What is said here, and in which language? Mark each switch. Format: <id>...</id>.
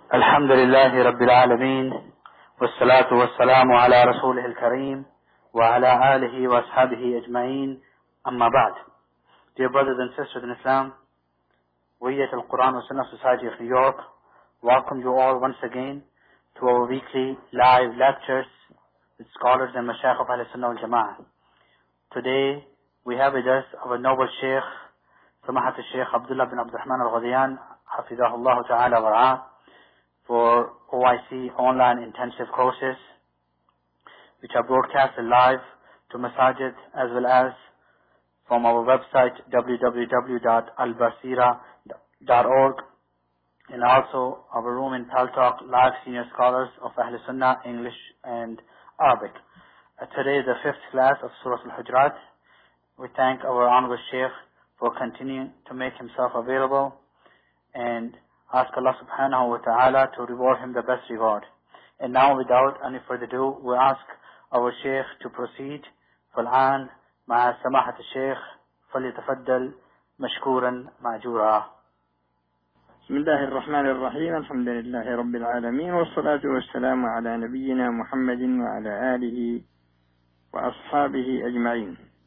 <ar>الحمد لله رب العالمين والصلاة والسلام على رسوله الكريم وعلى آله وأصحابه أجمعين أما بعد.</ar> <en>Dear brothers and sisters in Islam, we at the Quran and Sunnah Society of New York welcome you all once again to our weekly live lectures with scholars and mashayikh of Ahl-e-Sunnah wal-Jama'ah. Today we have with us our noble Sheikh, Samahat al-Sheikh Abdullah bin Abdurrahman al-Ghadiyan, Hafizahullah ta'ala wa'a, for OIC online intensive courses, which are broadcasted live to Masajid as well as from our website www.albasira.org, and also our room in Paltalk, live senior scholars of Ahl Sunnah, English and Arabic. Today the fifth class of Surah Al-Hujurat. We thank our honorable Sheikh for continuing to make himself available and ask Allah subhanahu wa ta'ala to reward him the best reward. And now without any further ado, we ask our Sheikh to proceed.</en> <ar>فالآن مع سماحة الشيخ فليتفضل مشكورا معجورا. بسم الله الرحمن الرحيم. الحمد لله رب العالمين والصلاة والسلام على نبينا محمد وعلى آله وأصحابه أجمعين.</ar>